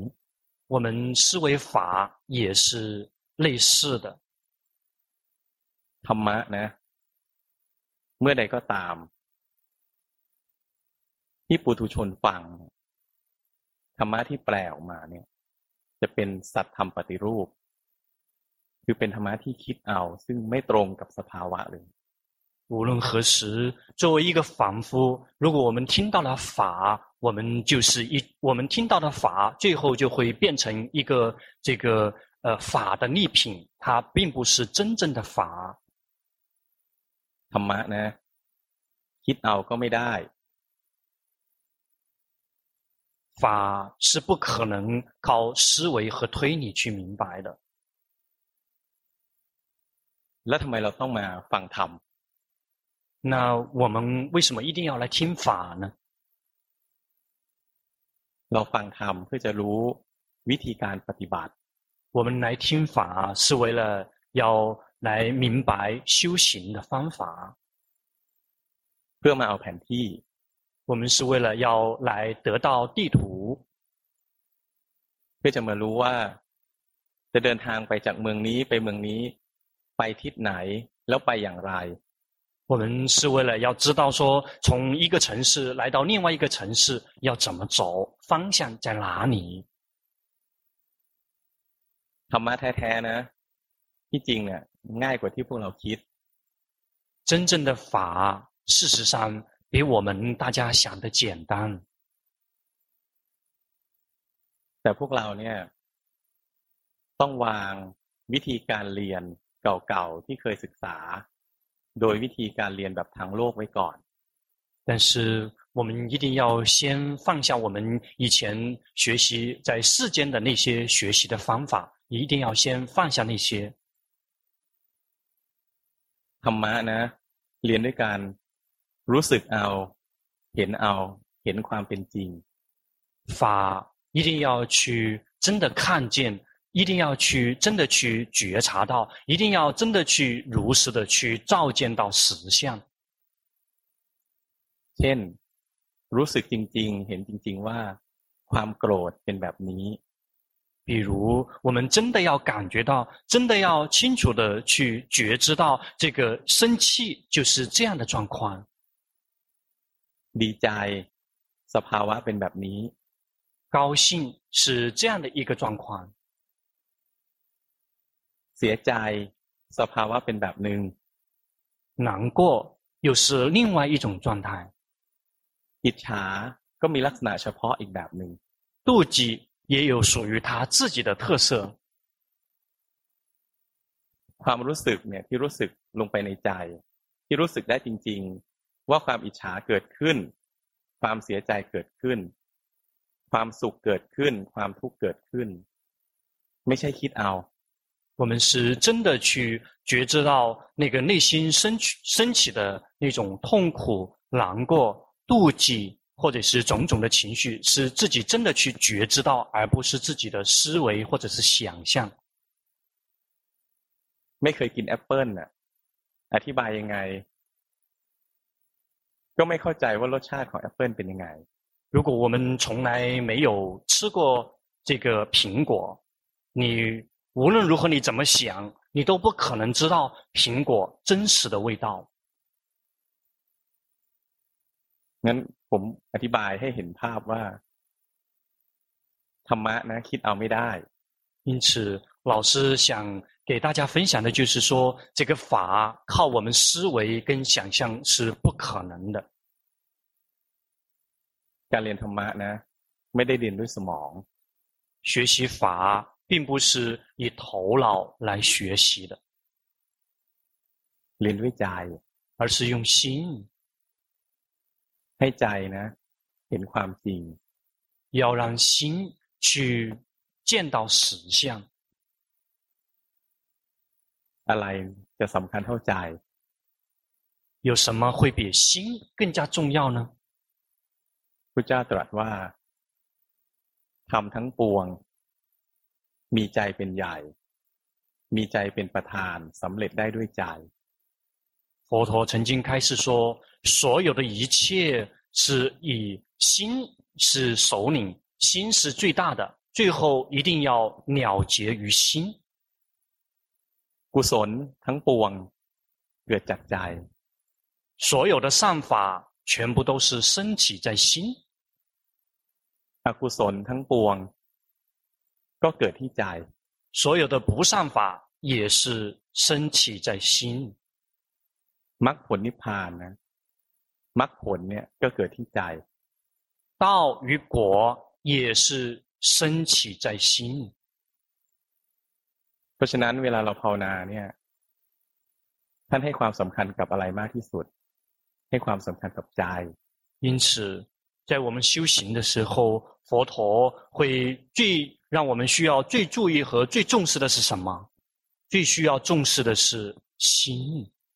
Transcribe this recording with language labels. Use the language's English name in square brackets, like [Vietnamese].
[Chinese] 我们思维法也是类似的 [Thai] ธรรมะนะเมื่อใดก็ตามที่ปุถุชนฟังธรรมะที่แปลออกมาเนี่ยจะเป็นสัจธรรมปฏิรูปคือเป็นธรรมะที่คิดเอาซึ่งไม่ตรงกับสภาวะเลย [Chinese] 无论何时作为一个凡夫如果我们听到了法我们就是一我们听到的法最后就会变成一个这个法的逆品它并不是真正的法 [Thai] ธรรมะนะคิดเอาก็ไม่ได้ [Chinese] 法是不可能靠思维和推理去明白的 [Thai] แล้วทำไมเราต้องมาฟังธรรม [Chinese] 那我们为什么一定要来听法呢 [Thai] เราฟังธรรมเพื่อจะรู้วิธีการปฏิบัติ [Chinese] 我们来听法是为了要来明白修行的方法 [Thai] เพื่อมาเอาแผนที่ [Chinese] 我们是为了要来得到地图 [Thai] เพื่อจะมารู้ว่าจะเดินทางไปจากเมืองนี้ไปเมืองนี้ไปทิศไหนแล้วไปอย่างไร [Chinese] 我们是为了要知道说从一个城市来到另外一个城市要怎么走方向在哪里 [Thai] ธรรมะแท้ๆนะที่จริงเนี่ยง่ายกว่าที่พวกเราคิด [Chinese] 真正的法事实上比我们大家想的简单 [Thai] แต่พวกเราเนี่ยต้องวางวิธีการเรียนเก่าๆที่เคยศึกษาโดยวิธีการเรียนแบบทางโลกไว้ก่อน [Chinese] 但是我们一定要先放下我们以前学习在世间的那些学习的方法一定要先放下那些 [Thai] ธรรมะนะเรียนด้วยการรู้สึกเอาเห็นเอาเห็นความเป็นจริง [Chinese] 法一定要去真的看见一定要去真的去觉察到一定要真的去如实的去照见到实相 [Thai] เช่นรู้สึกจริงๆเห็นจริงๆว่าความโกรธเป็นแบบนี้ [Chinese] 比如我们真的要感觉到真的要清楚的去觉知到这个生气就是这样的状况 [Thai] ดีใจสภาวะเป็นแบบนี้ [Chinese] 高兴是这样的一个状况 [Thai] เสียใจสภาวะเป็นแบบนึง [Chinese] 难过又是另外一种状态 [Thai] อิจฉาก็มีลักษณะเฉพาะอีกแบบนึง [Chinese] 妒忌也有属于他自己的特色 [Thai] ความรู้สึกเนี่ยที่รู้สึกลงไปในใจที่รู้สึกได้จริงๆว่าความอิจฉาเกิดขึ้นความเสียใจเกิดขึ้นความสุขเกิดขึ้นความทุกข์เกิดขึ้นไม่ใช่คิดเอา [Chinese] 我们是真的去觉知到那个内心升起的那种痛苦难过妒忌或者是种种的情绪是自己真的去觉知到而不是自己的思维或者是想象 [Thai] ไม่เคยกินแอปเปิ้ลน่ะอธิบายยังไงก็ไม่เข้าใจว่ารสชาติของแอปเปิ้ลเป็นยังไง [Chinese] 如果我们从来没有吃过这个苹果你无论如何你怎么想你都不可能知道苹果真实的味道 [Thai] งั้นผมอธิบายให้เห็นภาพว่าธรรมะนะคิดเอาไม่ได้ [Chinese] 因此老师想给大家分享的就是说这个法靠我们思维跟想象是不可能的 [Thai] การเรียนธรรมะนะไม่ได้เรียนด้วยสมอง [Chinese] 学习法并不是以头脑来学习的 [Thai] เรียนด้วยใจ [Chinese] 而是用心 [Thai] ให้ใจนะเห็นความจริง [Chinese] 要让心去见到实相 [Thai] อะไรจะสำคัญเท่าใจ [Chinese] 有什么会比心更加重要呢 [Thai] พุทธเจ้าตรัสว่าธรรมทั้งปวงมีใจเป็นใหญ่มีใจเป็นประธานสำเร็จได้ด้วยใจ [Chinese] 佛陀曾经开始说所有的一切是以心是首领心是最大的最后一定要了结于心 [Thai] กุศลทั้งปวงเกิดจากใจ [Chinese] 所有的善法全部都是升起在心 [Thai] อกุศลทั้งปวงก็เกิดที่ใจ [Chinese] 所有的不善法也是升起在心 [Thai] มรรคผลนิพพานนะมรรคผลเนี่ยก็เกิดที่ใจ [Chinese] 道与果也是升起在心 [Thai] เพราะฉะนั้นเวลาเราภาวนาเนี่ยท่านให้ความสำคัญกับอะไรมากที่สุดให้ความสำคัญกับใจ [Chinese] 因此在我们修行的时候佛陀会最让我们需要最注意和最重视的是什么最需要重视的是心